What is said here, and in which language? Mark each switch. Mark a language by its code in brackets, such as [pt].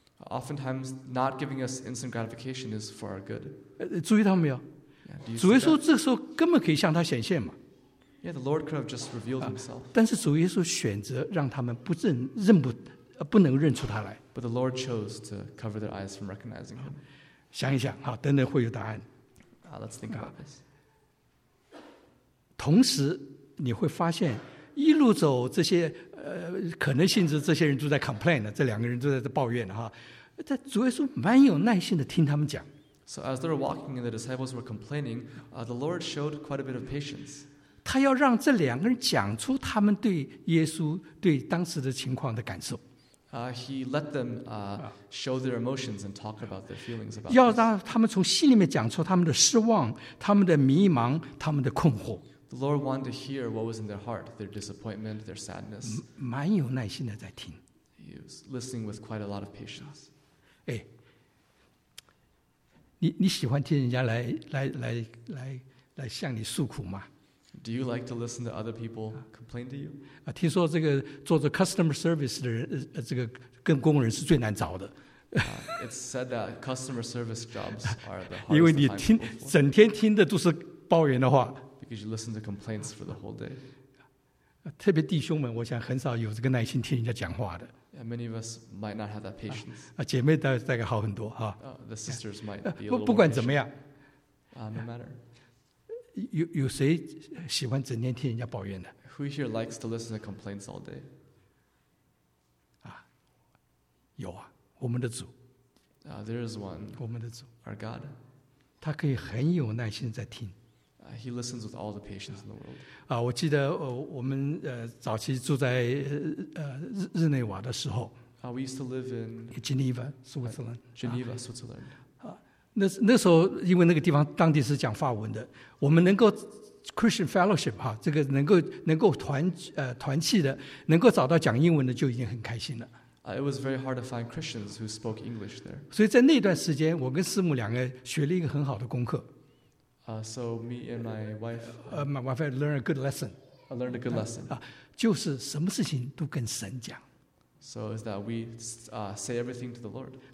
[en] Oftentimes, not giving us instant gratification is for our good. [zh] 注意到没有？ [en] Yeah, [zh] 主耶稣这时候根本可以向他显现嘛。 [en] Yeah, the Lord could have just revealed himself. [zh] 但是主耶稣选择让他们不能认出他来。 [en] But the Lord chose to cover their eyes from recognizing him. [zh] 想一想，好，等等会有答案。 [en] Let's think about this. [zh] 同时，你会发现一路走这些可能性质，这些人都在 complain 的，这两个人都在抱怨的哈。但主耶稣蛮有耐心的听他们讲。 [en] So as they were walking and the disciples were complaining, the Lord showed quite a bit of patience. [zh] 他要让这两个人讲出他们对耶稣对当时的情况的感受。 [en] He let them show their emotions and talk about their feelings about. [zh] 要让他们从心里面讲出他们的失望、他们的迷茫、他们的困惑。 [en] The Lord wanted to hear what was in their heart, their disappointment, their sadness. [zh] 蛮有耐心的在听。 [en] He was listening with quite a lot of patience. [zh] 哎，你喜欢听人家来向你诉苦吗？ [en] Do you like to listen to other people complain to you? [zh] 听说这个做着 customer service 的人，这个跟工人是最难找的。 [en] It's said that customer service jobs are the hardest to find. [zh] 因为你听整天听的都是抱怨的话。 [en] Because you listen to complaints for the whole day. [zh] 特别弟兄们，我想很少有这个耐心听人家讲话的。 [en] Yeah, many of us might not have that patience. [zh] 姐妹大概好很多哈。 [en] The sisters might be a little more patient. [zh] 不管怎么样。 [en] No matter. [zh] 有谁喜欢整天听人家抱怨的？ [en] Who here likes to listen to complaints all day? [zh] 啊，有啊，我们的主。 [en] There is one. [zh] 我们的主。 [en] Our God. [zh] 他可以很有耐心在听。 [en] He listens with all the patience in the world. [zh] 啊，我记得我们早期住在日内瓦的时候。 [en] We used to live in Geneva, Switzerland. Geneva, Switzerland. [zh] 那时候因为那个地方当地是讲法文的，我们能够 Christian Fellowship 哈，这个能够团契的，能够找到讲英文的就已经很开心了。 [en] It was very hard to find Christians who spoke English there. [zh] 所以在那段时间，我跟师母两个学了一个很好的功课。 [en] So me and my wife. My wife learned a good lesson. I learned a good lesson. [zh] 就是什么事情都跟神讲。 [en] So is that we say everything to the Lord